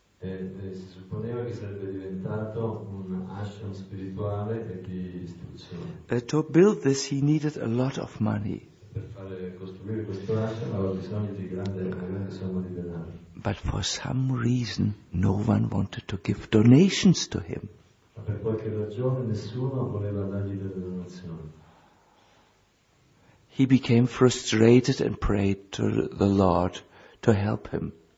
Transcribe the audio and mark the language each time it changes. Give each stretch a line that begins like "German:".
Italian: Si supponeva che sarebbe diventato un ashram spirituale e di istruzione.
English: To build this he needed a lot of money.
Italian: Per fare costruire questo ashram aveva bisogno di grande somma di denaro.
English: But for some reason no one wanted to give donations to him.
Italian: Ma per qualche ragione nessuno voleva dargli delle donazioni.
English: He became frustrated and prayed to the Lord to help him.